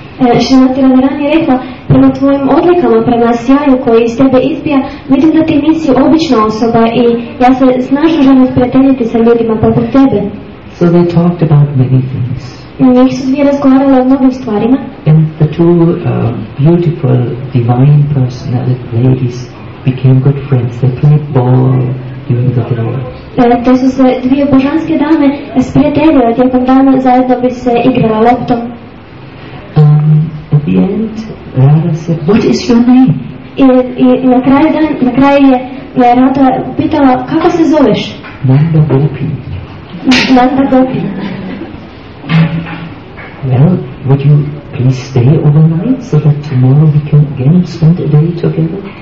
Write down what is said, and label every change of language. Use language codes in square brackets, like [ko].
[hr] Srimati Radharani je rekla, prema tvojim odlikama, prema sjaju koji iz tebe izbija, vidim da ti nisi obična osoba i ja se snažno želim sprijateljiti sa ljudima poput tebe. [en] So they talked about many things. [hr] Njih su dvije razgovarali o mnogim stvarima. [en] And the two beautiful divine personality ladies became good friends. They played ball during the day. [hr] Te su se dvije božanske dame sprijateljile tijekom dana, zajedno bi se igrala loptom. [en] At the end, Radha said, "What is your name?" [hr] Na kraju je Radha pitala, "Kako se zoveš?" [en] Nanda Gopi. [hr] Nanda Gopi. [en] Well, would you please stay overnight so that tomorrow we can again spend a day together?